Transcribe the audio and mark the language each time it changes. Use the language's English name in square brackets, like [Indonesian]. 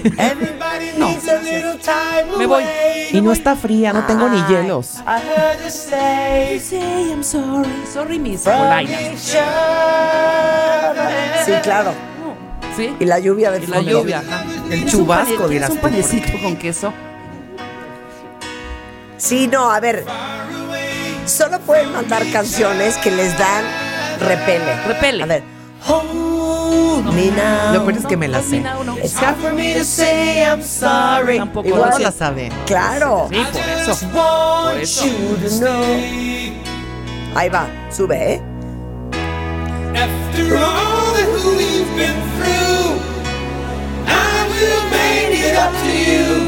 [English] Everybody needs a little time. [Spanish] Me voy. Y no está fría, no tengo ni hielos. [English] I heard you say, I'm sorry. Sorry, Miss Polina. [Spanish] Sí, claro. ¿Sí? Y la lluvia de la lluvia. El chubasco, dirás tú. Un panecito con queso. Sí, no, a ver. Solo pueden mandar canciones que les dan repele. Repele. A ver. Lo peor es que me la sé. [English] It's hard for me to say I'm sorry. [Spanish] Tampoco igual la sabe. Claro. Sí, por eso. Por eso. Ahí va, sube, ¿eh? [English] After all that we've been through, I will make it up to you.